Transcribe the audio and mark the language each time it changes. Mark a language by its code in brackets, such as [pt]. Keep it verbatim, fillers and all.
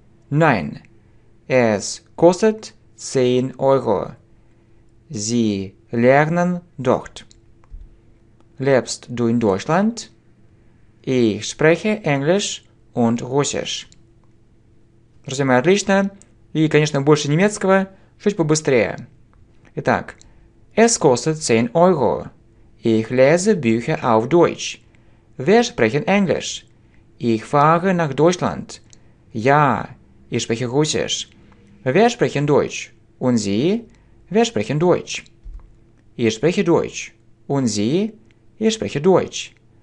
[de] Nein, es kostet zehn Euro. Sie lernen dort. Lebst du in Deutschland? Ich spreche Englisch und Russisch. [ru] Друзья мои, отлично. И, конечно, больше немецкого, чуть побыстрее. Итак, [de] es kostet zehn Euro. Ich lese Bücher auf Deutsch. Wir sprechen Englisch. Ich fahre nach Deutschland. Ja, ich spreche Russisch. Wir sprechen Deutsch. Und Sie? Wir sprechen Deutsch. Ich spreche Deutsch. Und Sie? Ich spreche Deutsch.